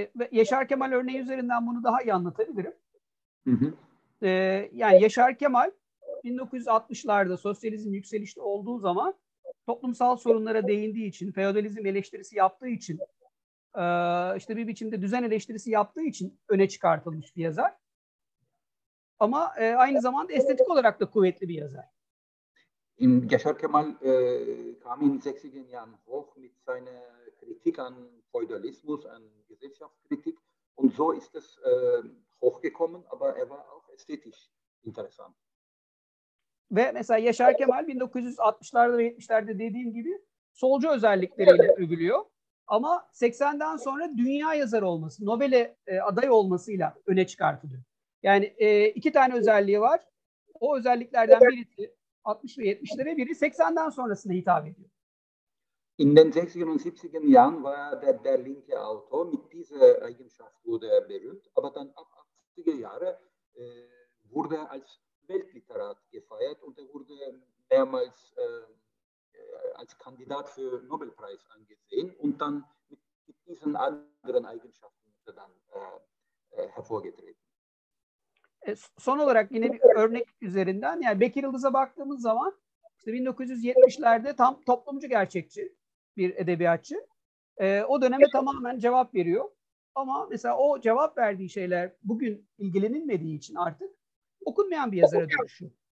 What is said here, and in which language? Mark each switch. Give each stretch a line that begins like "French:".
Turkish: Yaşar Kemal örneği üzerinden bunu daha iyi anlatabilirim. Yani Yaşar Kemal 1960'larda sosyalizm yükselişte olduğu zaman toplumsal sorunlara değindiği için, feodalizm eleştirisi yaptığı için, işte bir biçimde düzen eleştirisi yaptığı için öne çıkartılmış bir yazar. Ama aynı zamanda estetik olarak da kuvvetli bir yazar.
German: Yaşar Kemal kam in 60er Jahren hoch mit seiner Kritik an Feudalismus, an Gesellschaftskritik und so ist es hochgekommen, aber er war auch ästhetisch interessant.
Turkish: Ve mesela Yaşar Kemal 1960'larda ve 70'lerde dediğim gibi solcu özellikleriyle övülüyor. Ama 80'den sonra dünya yazarı olması, Nobel'e aday olmasıyla öne çıkartılıyor. Yani iki tane özelliği var. O özelliklerden birisi 60 ve 70'lere, biri 80'den sonrasına hitap ediyor.
German: In den 60er und 70er Jahren war der linke Autor mit dieser Eigenschaft wurde er berühmt, aber dann ab 80er Jahre wurde als Weltliterat gefeiert und wurde mehrmals als Kandidat für Nobelpreis angesehen und dann mit diesen anderen Eigenschaften dann hervorgetreten.
Turkish: Son olarak yine bir örnek üzerinden, yani Bekir Yıldız'a baktığımız zaman işte 1970'lerde tam toplumcu gerçekçi bir edebiyatçı. O döneme tamamen cevap veriyor. Ama mesela o cevap verdiği şeyler bugün ilgilenilmediği için artık okunmayan bir yazara dönüşüyor.